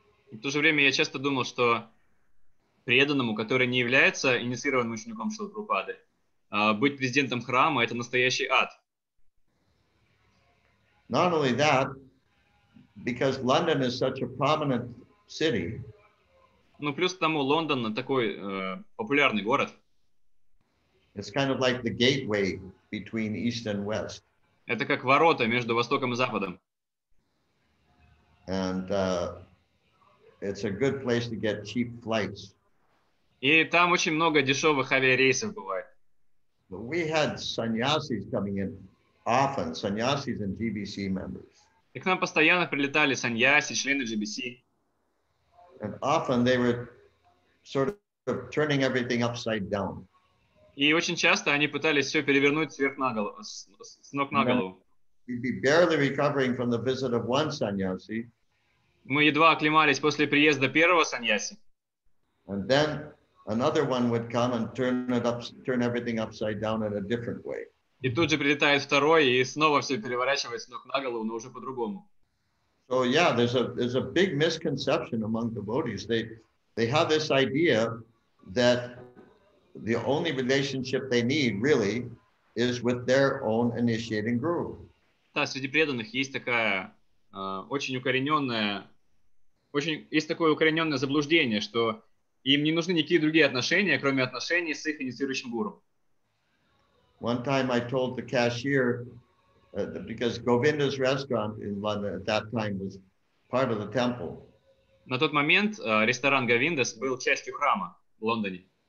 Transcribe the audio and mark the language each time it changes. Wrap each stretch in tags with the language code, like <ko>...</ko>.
<ru>И в то же время я часто думал, что преданному, который не является инициированным учеником Шрилы Прабхупады, быть президентом храма — это настоящий ад.</ru> <en>Not only that, because London is such a prominent city.</en> <ru>Ну, плюс к тому, Лондон такой популярный город.</ru> <en>It's kind of like the gateway between East and West.</en> <ru>Это как ворота между Востоком и Западом.</ru> <en>And it's a good place to get cheap flights.</en> <ru>И там очень много дешевых авиарейсов бывает.</ru> <en>But we had sannyasis coming in often, sannyasis and GBC members.</en> <ru>И к нам постоянно прилетали саньяси, члены GBC.</ru> <en>And often they were sort of turning everything upside down.</en> <ru>И очень часто они пытались все перевернуть сверх на голову, с ног на голову.</ru> <en>We'd be barely recovering from the visit of one sannyasi.</en> <ru>Мы едва оклемались после приезда первого саньяси.</ru> <en>And then another one would come and turn everything upside down in a different way.</en> <ru>И тут же прилетает второй и снова все переворачивает с ног на голову, но уже по-другому.</ru> <en>So yeah, there's a big misconception among devotees. They have this idea that the only relationship they need really is with their own initiating guru.</en> <ru>Да, среди преданных есть такая есть такое укорененное заблуждение, что им не нужны никакие другие отношения, кроме отношений с их инициирующим гуру.</ru> <en>One time I told the cashier, because Govinda's restaurant in London at that time was part of the temple.</en> <ru>На тот момент ресторан Govinda's был частью храма в Лондоне.</ru>